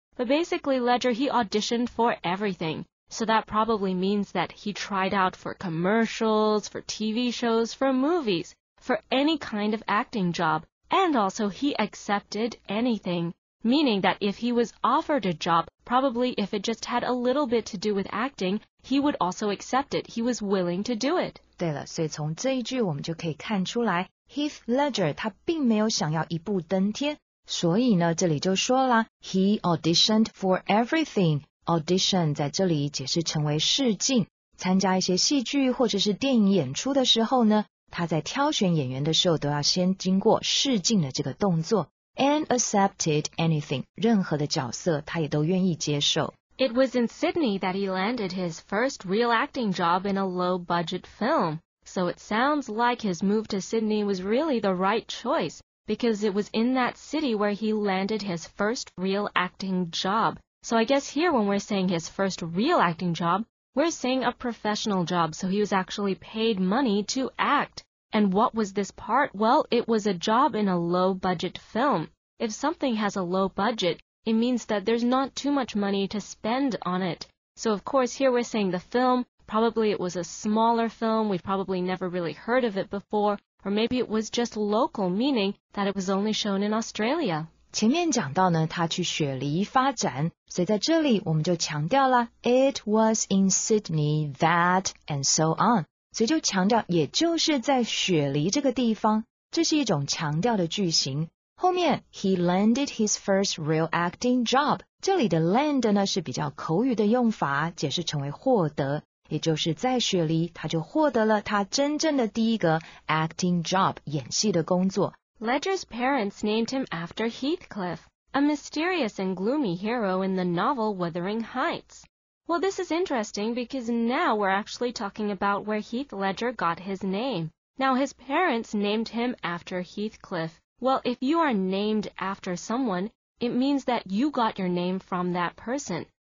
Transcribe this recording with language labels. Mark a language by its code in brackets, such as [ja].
[en] But basically, Ledger, he auditioned for everything. So that probably means that he tried out for commercials, for TV shows, for movies, for any kind of acting job. And also, he accepted anything, meaning that if he was offered a job, probably if it just had a little bit to do with acting, he would also accept it. He was willing to do it. [zh] 对了，所以从这一句我们就可以看出来 ，Heath Ledger 他并没有想要一步登天。所以呢，这里就说了 ， [en] He auditioned for everything. [zh] Audition 在这里解释成为试镜，参加一些戏剧或者是电影演出的时候呢，他在挑选演员的时候都要先经过试镜的这个动作。 [en] And accepted anything, [zh] 任何的角色他也都愿意接受。 [en] It was in Sydney that he landed his first real acting job in a low-budget film. So it sounds like his move to Sydney was really the right choice, because it was in that city where he landed his first real acting job. So I guess here when we're saying his first real acting job, we're saying a professional job, so he was actually paid money to act. And what was this part? Well, it was a job in a low-budget film. If something has a low budget,It means that there's not too much money to spend on it. So of course, here we're saying the film, probably it was a smaller film, we've probably never really heard of it before, or maybe it was just local, meaning that it was only shown in Australia. [zh] 前面讲到呢，他去雪梨发展，所以在这里我们就强调了 , [en] it was in Sydney that, and so on. [zh] 所以就强调也就是在雪梨这个地方，这是一种强调的句型。后面 [en] he landed his first real acting job. [zh] 这里的 land 呢是比较口语的用法，解释成为获得，也就是在雪梨他就获得了他真正的第一个 [en] acting job [zh] 演戏的工作。 [en] Ledger's parents named him after Heathcliff, a mysterious and gloomy hero in the novel Wuthering Heights. Well, this is interesting because now we're actually talking about where Heath Ledger got his name. Now his parents named him after Heathcliff. Well, if you are named after someone, it means that you got your name from that person.